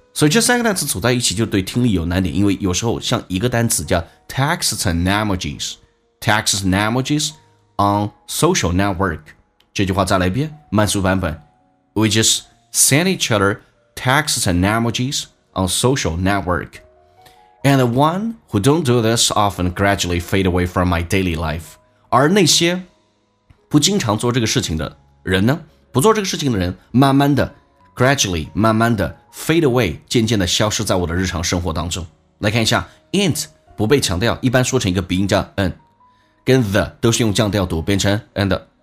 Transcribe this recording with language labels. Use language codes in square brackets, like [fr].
[zh] 所以这三个单词组在一起就对听力有难点，因为有时候像一个单词叫 [en] texts and emojis， texts and emojis on social network， [zh] 这句话再来一遍，慢速版本。 [en] We just send each other texts and emojis on social network. And the one who don't do this often gradually fade away from my daily life. [zh] 而那些不经常做这个事情的人呢，不做这个事情的人，慢慢的 gradually 慢慢的 fade away， 渐渐的消失在我的日常生活当中。来看一下 ，int 不被强调，一般说成一个鼻音叫 n， 跟 the 都是用降调读，变成 and。